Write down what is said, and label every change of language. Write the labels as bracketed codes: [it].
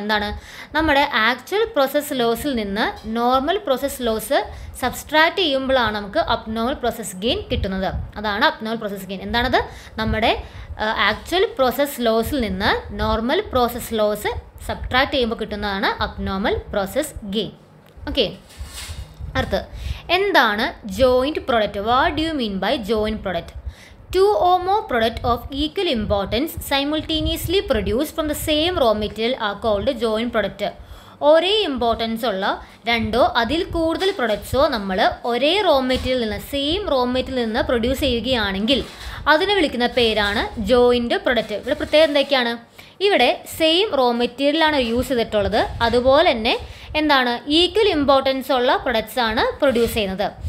[ml] എന്താണ്, നമ്മുടെ actual process ലോസിൽ നിന്ന് നോർമൽ പ്രോസസ് ലോസ് സബ്സ്ട്രാക്ട് ചെയ്യുമ്പോഴാണ് നമുക്ക് അബ്നോർമൽ പ്രോസസ് ഗെയിൻ കിട്ടുന്നത്. അതാണ് അബ്നോർമൽ പ്രോസസ് ഗെയിൻ. എന്താണത്? നമ്മുടെ ആക്ച്വൽ പ്രോസസ് ലോസിൽ നിന്ന് നോർമൽ പ്രോസസ് ലോസ് സബ്ട്രാക്ട് ചെയ്യുമ്പോൾ കിട്ടുന്നതാണ് അബ്നോർമൽ പ്രോസസ് ഗെയിൻ. ഓക്കെ, അടുത്ത് എന്താണ് joint product? [en] What do you mean by joint product? Two or more product of equal importance simultaneously produced from the same raw material are called joint product. [ml] ഒരേ importance ഉള്ള രണ്ടോ അതിൽ കൂടുതൽ പ്രൊഡക്ട്സോ നമ്മൾ ഒരേ raw മെറ്റീരിയലിൽ നിന്ന്, സെയിം റോ മെറ്റീരിയലിൽ നിന്ന് പ്രൊഡ്യൂസ് ചെയ്യുകയാണെങ്കിൽ അതിനെ വിളിക്കുന്ന പേരാണ് ജോയിൻ്റ് പ്രൊഡക്റ്റ്. ഇവിടെ പ്രത്യേകം എന്തൊക്കെയാണ്? ഇവിടെ സെയിം റോ മെറ്റീരിയലാണ് യൂസ് ചെയ്തിട്ടുള്ളത്, അതുപോലെ തന്നെ എന്താണ് ഈക്വൽ ഇമ്പോർട്ടൻസ് ഉള്ള പ്രൊഡക്ട്സ് ആണ് പ്രൊഡ്യൂസ് ചെയ്യുന്നത്.